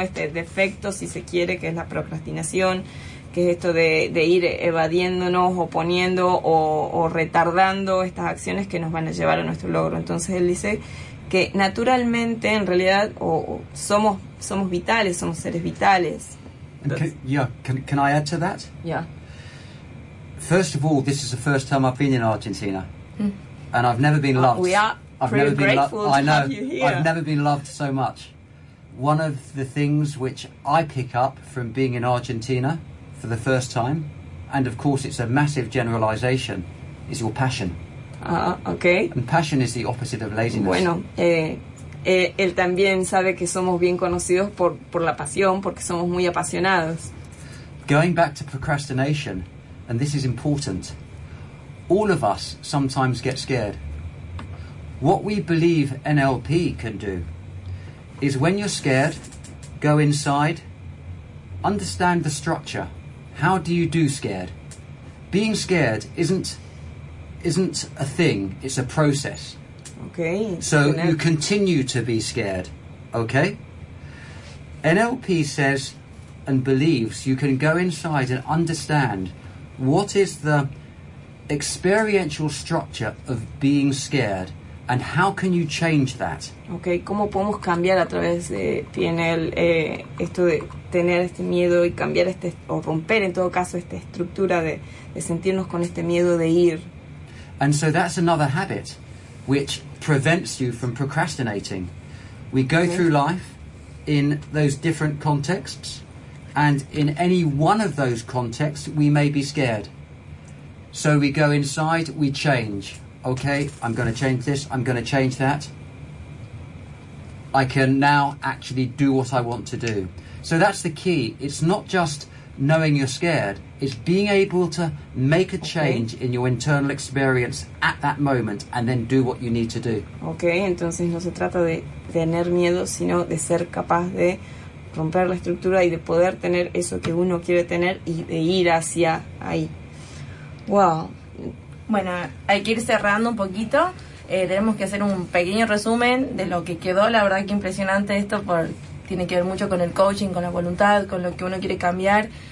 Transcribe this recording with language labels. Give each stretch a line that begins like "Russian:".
Spanish: Este defecto, si se quiere, que es la procrastinación, que es esto de ir evadiéndonos, oponiendo o retardando estas acciones que nos van a llevar a nuestro logro. Entonces él dice que naturalmente, en realidad, somos vitales, somos seres vitales.
English: Can I add to that? Yeah. First of all, this is the first time I've been in Argentina. Mm. And I've never been loved. We are pretty grateful to have you here. I've never been loved so much. One of the things which I pick up from being in Argentina for the first time, and of course it's a massive generalization, is your passion. Okay. And passion is the opposite of laziness.
Spanish: Bueno, él también sabe que somos bien conocidos por la pasión, porque somos muy apasionados.
English: Going back to procrastination, and this is important, all of us sometimes get scared. What we believe NLP can do is when you're scared, go inside, understand the structure. How do you do scared? Being scared isn't a thing, it's a process. Okay. So you continue to be scared, okay? NLP says and believes you can go inside and understand what is the experiential structure of being scared. And how can you change that?
Spanish: Okay, ¿cómo podemos cambiar a través de PNL esto de tener este miedo y cambiar este o romper en todo caso esta estructura de sentirnos con este miedo de ir?
English: And so that's another habit which prevents you from procrastinating. We go okay. through life in those different contexts, and in any one of those contexts we may be scared. So we go inside, we change. Okay, I'm going to change this, I'm going to change that. I can now actually do what I want to do. So that's the key. It's not just knowing you're scared. It's being able to make a change in your internal experience at that moment and then do what you need to do.
Spanish: Okay, entonces no se trata de tener miedo, sino de ser capaz de romper la estructura y de poder tener eso que uno quiere tener y de ir hacia ahí. Wow. Bueno, hay que ir cerrando un poquito. Tenemos que hacer un pequeño resumen de lo que quedó. La verdad que impresionante esto, tiene que ver mucho con el coaching, con la voluntad, con lo que uno quiere cambiar.